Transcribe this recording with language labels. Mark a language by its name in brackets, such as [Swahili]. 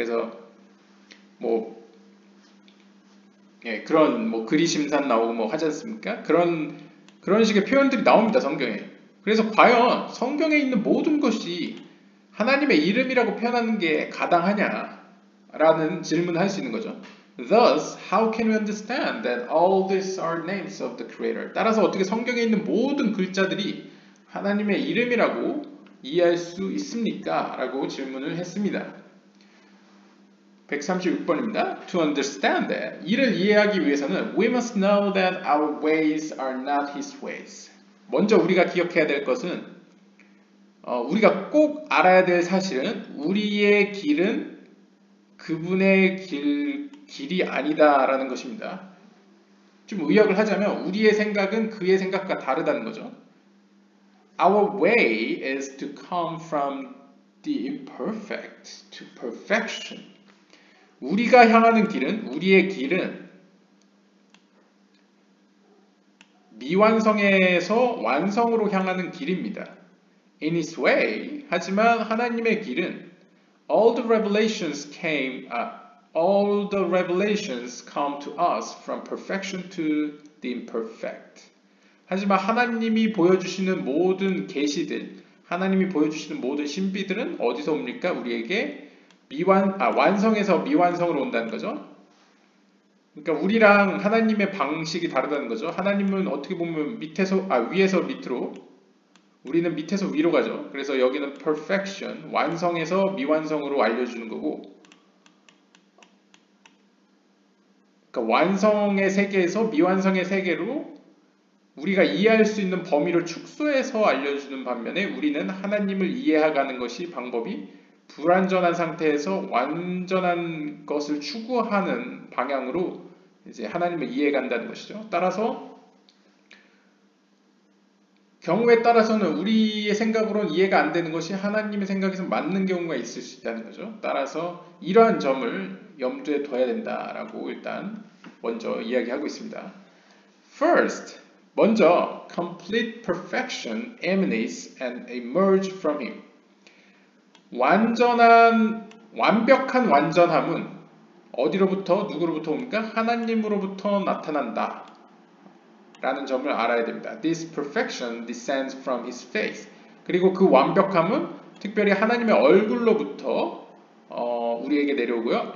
[Korean] 그래서 뭐 예, 그런 뭐 그리심산 나오고 뭐 하지 않습니까? 그런 식의 표현들이 나옵니다, 성경에. 그래서 과연 성경에 있는 모든 것이 하나님의 이름이라고 표현하는 게 가당하냐 라는 질문을 할 수 있는 거죠. [English] Thus, how can we understand that all these are names of the Creator? [Korean] 따라서 어떻게 성경에 있는 모든 글자들이 하나님의 이름이라고 이해할 수 있습니까? 라고 질문을 했습니다. 136번입니다. [English] To understand that, [Korean] 이를 이해하기 위해서는 [English] we must know that our ways are not his ways. [Korean] 먼저 우리가 기억해야 될 것은 우리가 꼭 알아야 될 사실은 우리의 길은 그분의 길이 아니다라는 것입니다. 좀 의역을 하자면 우리의 생각은 그의 생각과 다르다는 거죠. [English] Our way is to come from the imperfect to perfection. [Korean] 우리가 향하는 길은, 우리의 길은 미완성에서 완성으로 향하는 길입니다. [English] In his way, [Korean] 하지만 하나님의 길은 [English] All the revelations came, all the revelations come to us from perfection to the imperfect. [Korean] 하지만 하나님이 보여주시는 모든 계시들, 하나님이 보여주시는 모든 신비들은 어디서 옵니까? 우리에게 완성에서 미완성으로 온다는 거죠. 그러니까 우리랑 하나님의 방식이 다르다는 거죠. 하나님은 어떻게 보면 위에서 밑으로, 우리는 밑에서 위로 가죠. 그래서 여기는 perfection, 완성에서 미완성으로 알려주는 거고, 그러니까 완성의 세계에서 미완성의 세계로 우리가 이해할 수 있는 범위를 축소해서 알려주는 반면에 우리는 하나님을 이해하는 것이 방법이 불완전한 상태에서 완전한 것을 추구하는 방향으로 이제 하나님을 이해한다는 것이죠. 따라서 경우에 따라서는 우리의 생각으로는 이해가 안 되는 것이 하나님의 생각에서 맞는 경우가 있을 수 있다는 거죠. 따라서 이러한 점을 염두에 둬야 된다라고 일단 먼저 이야기하고 있습니다. [English] First, [Korean] 먼저 [English] complete perfection emanates and emerges from him. [Korean] 완벽한 완전함은 어디로부터, 누구로부터 옵니까? 하나님으로부터 나타난다 라는 점을 알아야 됩니다. [English] This perfection descends from his face. [Korean] 그리고 그 완벽함은 특별히 하나님의 얼굴로부터 우리에게 내려오고요.